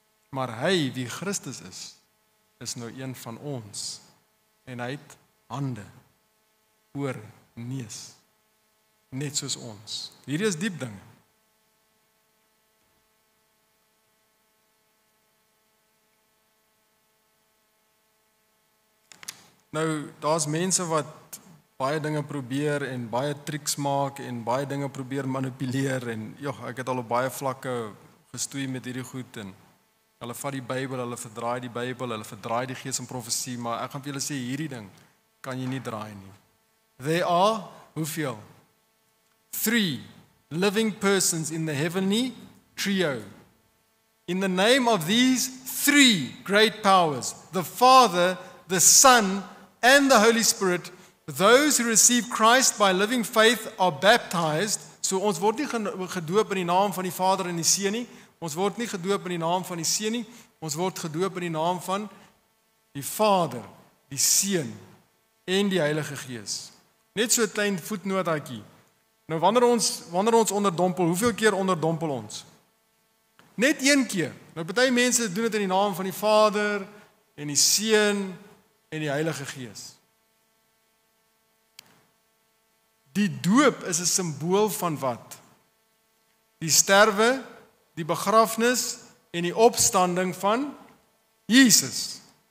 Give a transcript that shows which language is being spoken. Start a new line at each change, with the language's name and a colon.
Afrikaans: Maar hy, wie Christus is, is nou een van ons. En hy het hande, oor, neus, net soos ons. Hierdie is diep dinge. Nou, daar is mense wat baie dinge probeer en baie tricks maak en baie dinge probeer manipuleer en ek het al op baie vlakke gestoei met hierdie goed en hulle vat die Bybel, hulle verdraai die Bybel, hulle verdraai die gees en profesie, maar ek gaan vir julle sê, hierdie ding kan jy nie draai nie.
English: There are,
Afrikaans: hoeveel?
English: 3 living persons in the heavenly trio. In the name of these 3 great powers, the Father, the Son, and the Holy Spirit, those who receive Christ by living faith are baptized.
Afrikaans: So ons word nie gedoop in die naam van die Vader en die Seun nie. Ons word nie gedoop in die naam van die Seun nie. Ons word gedoop in die naam van die Vader, die Seun en die Heilige Gees. Net so 'n klein voetnotaakie. Nou wanneer ons onderdompel, hoeveel keer onderdompel ons? Net 1 keer. Nou party mense doen dit in die naam van die Vader en die Seun en die Heilige Gees. Die doop is 'n simbool van wat? Die sterwe, die begrafnis en die opstanding van Jesus.